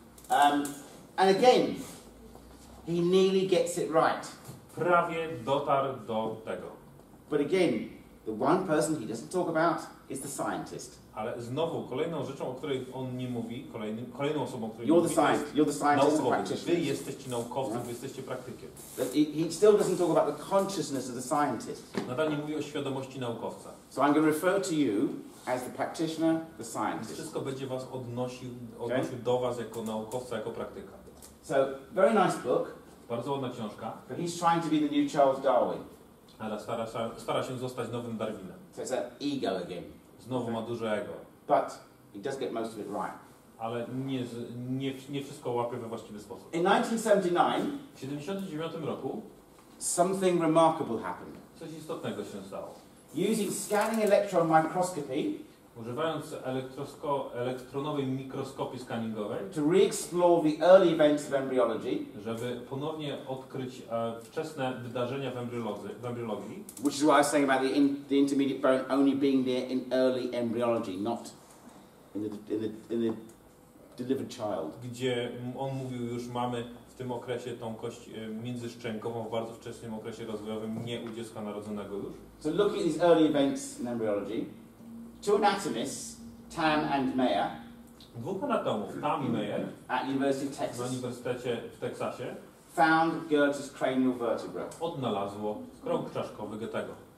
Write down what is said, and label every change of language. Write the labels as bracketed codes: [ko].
[en] And again, he nearly gets it right. [pl] Prawie dotarł do tego. [en] But again, the one person he doesn't talk about is the scientist. [pl] Ale znowu, kolejną rzeczą, o której on nie mówi, kolejną osobą, o której [en] you're [pl] nie mówi, [en] the you're the scientist, [pl] naukowiec. Wy jesteście naukowcem, yeah. Wy jesteście praktykiem. [en] But he still doesn't talk about the consciousness of the scientist. [pl] Nadal nie mówi o świadomości naukowca. [en] So I'm going to refer to you as the practitioner, the scientist. [pl] Wszystko będzie was odnosił okay? Do was jako naukowca, jako praktyka. [en] So, very nice book. [pl] Bardzo ładna książka. [en] But he's trying to be the new Charles Darwin. [pl] Ale stara się zostać nowym Darwinem. [en] So it's that ego again. [pl] Znowu ma duże ego. [en] But he does get most of it right. [pl] Ale nie wszystko łapie we właściwy sposób. [en] In 1979 [pl] roku [en] something remarkable happened. [pl] Coś istotnego się stało. [en] Using scanning electron microscopy, [pl] używając elektronowej mikroskopii skaningowej, [en] to re-explore the early events of embryology, [pl] żeby ponownie odkryć wczesne wydarzenia w embryologii, [en] which is what I was saying about the intermediate bone only being there in early embryology, not in the delivered child. [pl] Gdzie on mówił, już mamy w tym okresie tą kość międzyszczękową w bardzo wczesnym okresie rozwojowym, nie u dziecka narodzonego już. [en] So looking at these early events in embryology. Two anatomists, Tam and Meyer. [pl] Dwóch anatomów, Tam i Meyer, [en] at University of Texas. [pl] W Uniwersytecie w Teksasie. [en] Found Goethe's cranial vertebrae. [pl] Odnalazło krąg czaszkowy Goethego.